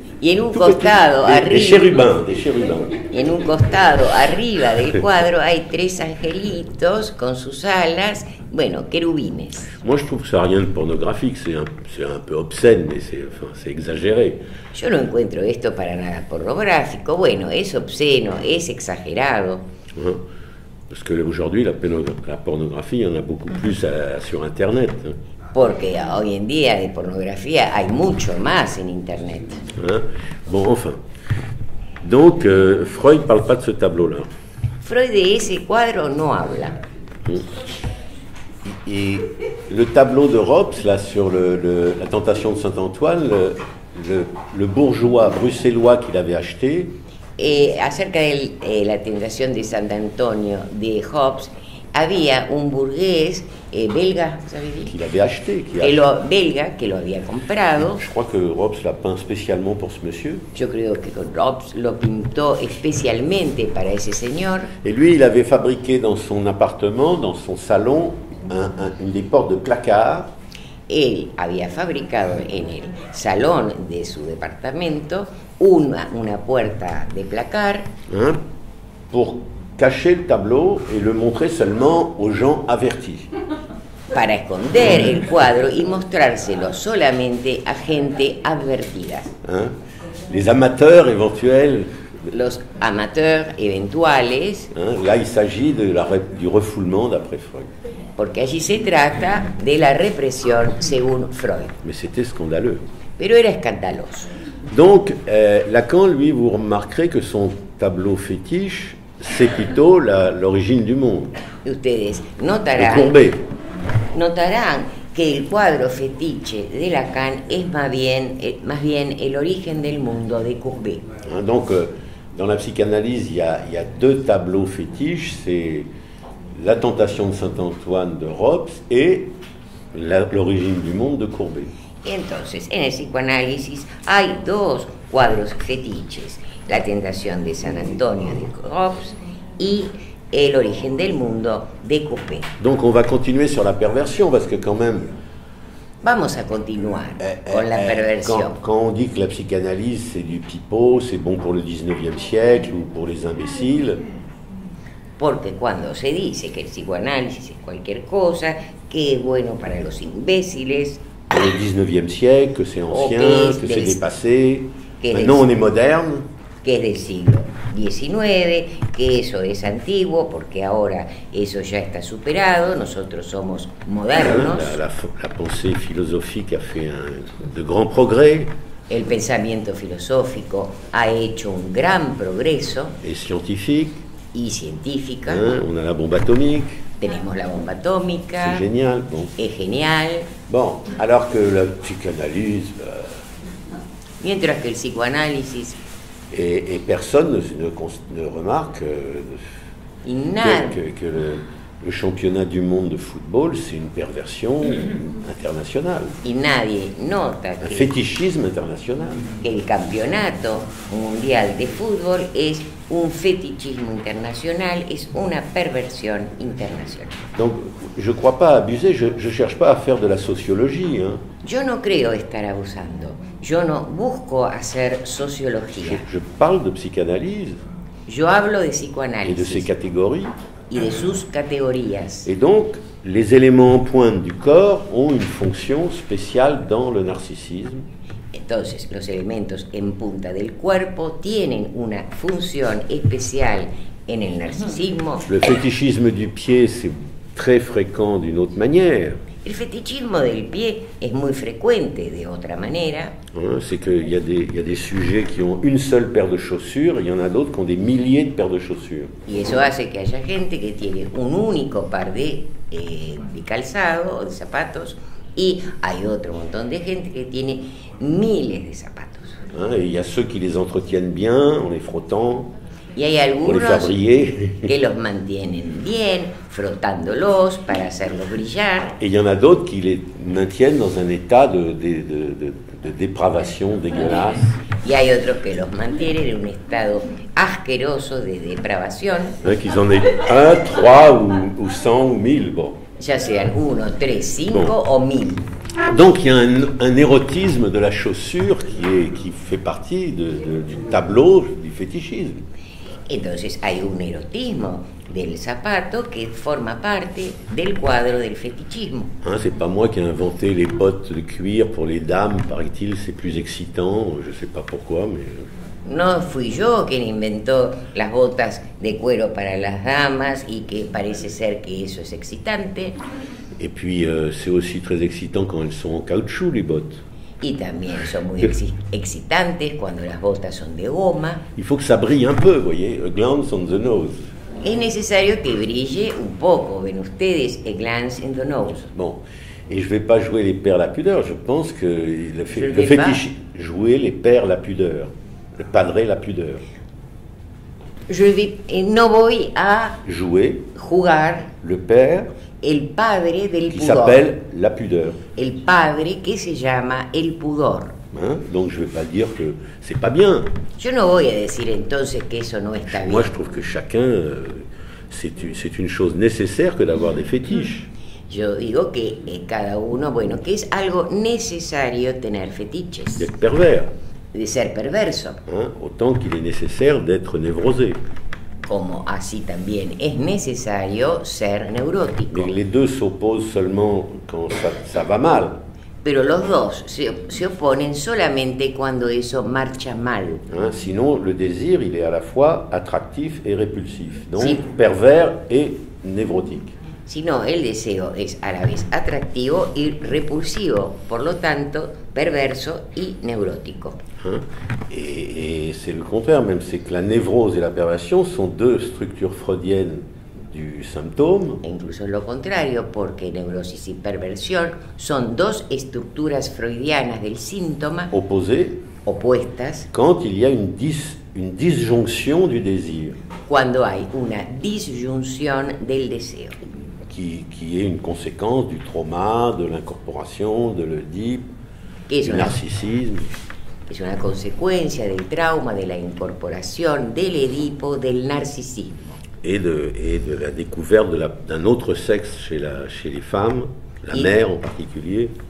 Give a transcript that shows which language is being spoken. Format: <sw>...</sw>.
<es>Y en un costado, arriba.</es> <fr>Des chérubins.</fr> <es>Y en un costado, arriba del cuadro, hay tres angelitos con sus alas. Bueno, querubines.</es> <fr>Moi, je trouve que ça n'a rien de pornographique, c'est un peu obscène, mais c'est exagéré.</fr> <es>Yo no encuentro esto para nada pornográfico. Bueno, es obsceno, es exagerado. Hein?</es> <fr>Parce qu'aujourd'hui, la pornographie, il y en a beaucoup plus sur Internet.</fr> <es>Porque hoy en día de pornografía hay mucho más en Internet.</es> <fr>Hein? Bon, enfin. Donc, Freud ne parle pas de ce tableau-là.</fr> <es>Freud de ese cuadro no habla. Hein?</es> <fr>Et le tableau de Hobbes, là, sur la tentation de Saint-Antoine, le bourgeois bruxellois qu'il avait acheté.</fr> <es>Et acerca de la tentación de Saint-Antonio de Hobbes, había un burgués belga, ¿sabes?</es> <fr>Qui l'avait acheté, qui a...</fr> <es>lo, belga, que lo había comprado.</es> <fr>Je crois que Robbs l'a peint spécialement pour ce monsieur.</fr> <es>Yo creo que Robbs lo pintó especialmente para ese señor.</es> <fr>Et lui, il avait fabriqué dans son appartement, dans son salon, une des portes de placard.</fr> <es>Él había fabricado en el salón de su departamento una puerta de placard. Hein?</es> <fr>Pour cacher le tableau et le montrer seulement aux gens avertis.</fr> <es>Para esconder el cuadro y mostrárselo solamente a gente advertida. Hein?</es> <fr>Les amateurs éventuels.</fr> <es>Los amateurs eventuales. Hein?</es> <fr>Là, il s'agit de du refoulement d'après Freud.</fr> <es>Porque allí se trata de la represión según Freud.</es> <fr>Mais c'était scandaleux.</fr> <es>Pero era escandaloso.</es> <fr>Donc, Lacan, lui, vous remarquerez que son tableau fétiche, c'est plutôt l'origine du monde.</fr> <es>Y ustedes notarán, notarán que el cuadro fétiche de Lacan es más bien el origen del mundo de Courbet.</es> <fr>Donc, dans la psychanalyse, il y a deux tableaux fétiches, c'est la tentation de Saint-Antoine de Robbs et l'origine du monde de Courbet.</fr> <es>Entonces, en el psicoanálisis hay dos cuadros fetiches, la tentación de San Antonio de Robbs y el origen del mundo de Courbet.</es> <fr>Donc on va continuer sur la perversión, parce que quand même...</fr> <es>Vamos a continuar con la perversión.</es> <fr>Quand on dit que la psychanalyse c'est du pipeau, c'est bon pour le 19e siècle ou pour les imbéciles...</fr> <es>Porque cuando se dice que el psicoanálisis es cualquier cosa, que es bueno para los imbéciles...</es> <fr>Que le 19e siècle, que c'est ancien, que c'est dépassé, maintenant on est moderne.</fr> <es>Que es del siglo XIX, que eso es antiguo, porque ahora eso ya está superado, nosotros somos modernos.</es> <fr>La pensée philosophique a fait de grands progrès.</fr> <es>El pensamiento filosófico ha hecho un gran progreso.</es> <fr>Et scientifique.</fr> <es>Y científica.</es> <fr>On a la bombe atomique.</fr> <es>Tenemos la bomba atómica.</es> <fr>C'est génial. Bon.</fr> <es>Es genial.</es> <fr>Bon, alors que la psychanalyse.</fr> <es>Mientras que el psicoanálisis.</es> <fr>Et personne ne remarque que le championnat du monde de football, c'est une perversion internationale.</fr> <es>Y nadie nota un fétichisme international. El campeonato mundial de fútbol es</es> <fr>un fétichisme international,</fr> <es>es una perversión internacional.</es> <fr>Donc, je ne crois pas abuser, je ne cherche pas à faire de la sociologie. Hein.</fr> <es>Yo no creo estar abusando. Yo no busco hacer sociología.</es> <fr>Je parle de psychanalyse.</fr> <es>Yo hablo de psicoanálisis.</es> <fr>Et de ses catégories.</fr> <es>Y de sus categorías.</es> <fr>Et donc, les éléments en pointe du corps ont une fonction spéciale dans le narcissisme.</fr> <es>Entonces, los elementos en punta del cuerpo tienen una función especial en el narcisismo.</es> <fr>Le fétichisme du pied, c'est très fréquent d'une autre manière.</fr> <es>El fetichismo del pie es muy frecuente de otra manera.</es> <fr>C'est qu'il y a des sujets qui ont une seule paire de chaussures, il y en a d'autres qui ont des milliers de paires de chaussures.</fr> <es>Y eso hace que haya gente que tiene un único par de calzado o de zapatos y hay otro montón de gente que tiene miles de zapatos.</es> <fr>Et il y a ceux qui les entretiennent bien en les frottant.</fr> <es>Y hay algunos que los mantienen bien, frotándolos para hacerlos brillar. Y hay otros que los mantienen en un estado de depravación, de glas. Y hay otros que los mantienen en un estado asqueroso de depravación.</es> <fr>Qu'ils en aient un, trois, ou cent, ou mille. Bon.</fr> <es>Ya sean uno, tres, cinco bon. O mil.</es> <fr>Donc il y a un érotisme de la chaussure qui fait partie du tableau du fétichisme.</fr> <es>Entonces hay un erotismo del zapato que forma parte del cuadro del fetichismo.</es> <fr>C'est pas moi qui ai inventé les bottes de cuir pour les dames, paraît-il, c'est plus excitant, je sais pas pourquoi, mais...</fr> <es>No fui yo quien inventó las botas de cuero para las damas y que parece ser que eso es excitante.</es> <fr>Et puis c'est aussi très excitant quand elles sont en caoutchouc, les bottes.</fr> <es>Y también son muy excitantes cuando las botas son de goma.</es> <fr>Il faut que ça brille un peu, voyez,</fr> <en>a glance on the nose.</en> <es>Es necesario que brille un poco, ven ustedes,</es> <en>a glance in the nose.</en> <fr>Bon, et je vais pas jouer les pères la pudeur, je pense que le fétiche jouer les pères la pudeur, le padre la pudeur.</fr> <es>no voy a</es> <fr>jouer,</fr> <es>jugar</es> <fr>le père,</fr> <es>el padre del</es> <fr>qui</fr> <es>pudor,</es> <fr>s'appelle la pudeur.</fr> <es>El padre que se llama el pudor. Hein?</es> <fr>Donc je ne vais pas dire que ce n'est pas bien.</fr> <es>Yo no voy a decir entonces que eso no está bien.</es> <fr>Moi je trouve que chacun, c'est une chose nécessaire que d'avoir des fétiches.</fr> <es>Yo digo que cada uno, bueno, que es algo necesario tener fétiches.</es> <fr>D'être pervers.</fr> <es>De ser perverso. Hein?</es> <fr>Autant qu'il est nécessaire d'être névrosé.</fr> <es>Como así también es necesario ser neurótico.</es> <fr>Mais les deux s'opposent seulement quand ça va mal.</fr> <es>Pero los dos se oponen solamente cuando eso marcha mal.</es> <fr>Hein, sinon, le désir, il est à la fois attractif et répulsif. Donc, sí. Pervers et névrotique.</fr> <es>Sino, el deseo es a la vez atractivo y repulsivo. Por lo tanto, perverso y neurótico.</es> <fr>Hein, et c'est le contraire, même c'est que la névrose et la perversion sont deux structures freudiennes. Du symptôme.</fr> <es>E incluso lo contrario, porque neurosis y perversión son dos estructuras freudianas del síntoma opuestas.</es> <fr>Quand il y a une disjonction du désir.</fr> <es>Cuando hay una disyunción del deseo.</es> <fr>Qui est une conséquence du trauma, de l'incorporation, de l'Oedipe, du narcisisme.</fr> <es>Es una consecuencia del trauma, de la incorporación, del Edipo, del narcisismo.</es> <fr>Et de la découverte d'un autre sexe chez les femmes, la mère en particulier.</fr>